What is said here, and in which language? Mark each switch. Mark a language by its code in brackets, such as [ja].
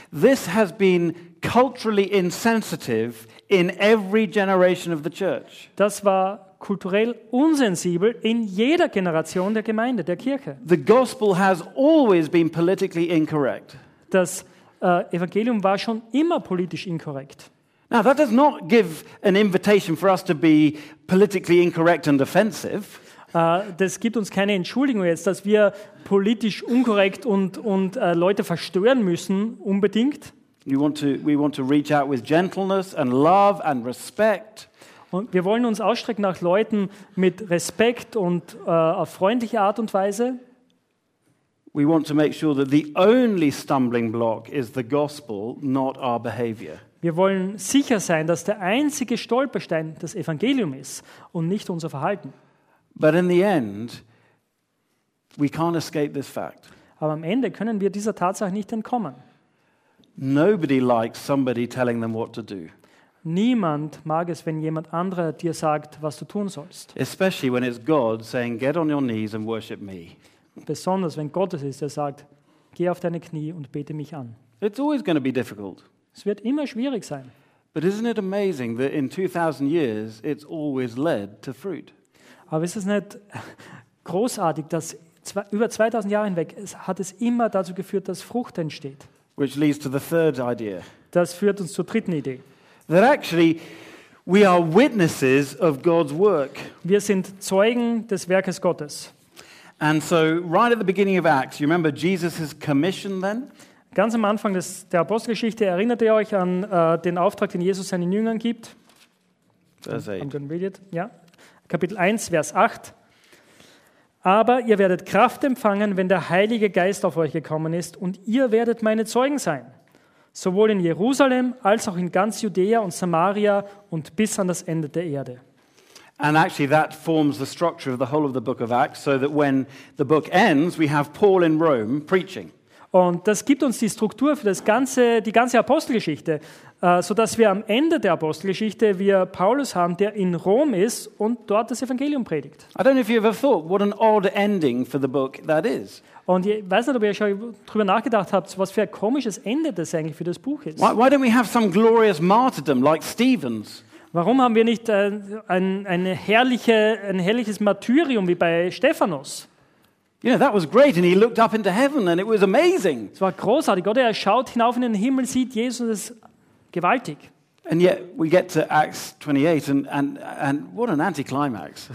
[en] This has been culturally insensitive in every generation of the church. [de] Das war kulturell unsensibel in jeder Generation der Gemeinde, der Kirche. [en] The gospel has always been politically incorrect. [de] Das Evangelium war schon immer politisch inkorrekt. [en] Now that does not give an invitation for us to be politically incorrect and offensive. [de] Das gibt uns keine Entschuldigung jetzt, dass wir politisch unkorrekt und Leute verstören müssen unbedingt. [en] We want to reach out with gentleness and love and respect. [de] Und wir wollen uns ausstrecken nach Leuten mit Respekt und auf freundliche Art und Weise. [en] We want to make sure that the only stumbling block is the gospel, not our behavior. [de] Wir wollen sicher sein, dass der einzige Stolperstein das Evangelium ist und nicht unser Verhalten. [en] But in the end, we can't escape this fact. [de] Aber am Ende können wir dieser Tatsache nicht entkommen. [en] Nobody likes somebody telling them what to do. [de] Niemand mag es, wenn jemand anderer dir sagt, was du tun sollst. [en] Especially when it's God saying, "Get on your knees and worship me." [de] Besonders wenn Gott es ist, der sagt, geh auf deine Knie und bete mich an. [en] It's always going to be difficult. [de] Es wird immer schwierig sein. [en] But isn't it amazing that in 2000 years it's always led to fruit? [de] Aber ist es nicht großartig, dass über 2000 Jahre hinweg hat es immer dazu geführt, dass Frucht entsteht? [en] Which leads to the third idea. [de] Das führt uns zur dritten Idee. [en] That actually we are witnesses of God's work. [de] Wir sind Zeugen des Werkes Gottes. [en] And so right at the beginning of Acts, you remember Jesus' commission then? [de] Ganz am Anfang der Apostelgeschichte erinnert ihr euch an den Auftrag, den Jesus seinen Jüngern gibt? Vers 8. [en] I'm going to read it. [de] Ja. Kapitel 1, Vers 8. Aber ihr werdet Kraft empfangen, wenn der Heilige Geist auf euch gekommen ist, und ihr werdet meine Zeugen sein, sowohl in Jerusalem als auch in ganz Judäa und Samaria und bis an das Ende der Erde. [en] And actually that forms the structure of the whole of the book of Acts, so that when the book ends, we have Paul in Rome preaching. [de] Und das gibt uns die Struktur für das ganze, die ganze Apostelgeschichte, sodass wir am Ende der Apostelgeschichte wir Paulus haben, der in Rom ist und dort das Evangelium predigt. [en] I don't know if you ever thought what an odd ending for the book that is. [de] Und ich weiß nicht, ob ihr schon darüber nachgedacht habt, was für ein komisches Ende das eigentlich für das Buch ist. [en] Why don't we have some glorious martyrdom like Stephen's? [de] Warum haben wir nicht ein herrliches Martyrium wie bei Stephanus? [en] You know, that was great, and he looked up into heaven, and it was amazing. [de] Es war großartig. Gott, er schaut hinauf in den Himmel, sieht Jesus, ist gewaltig. [en] And yet we get to Acts 28, and what an anticlimax!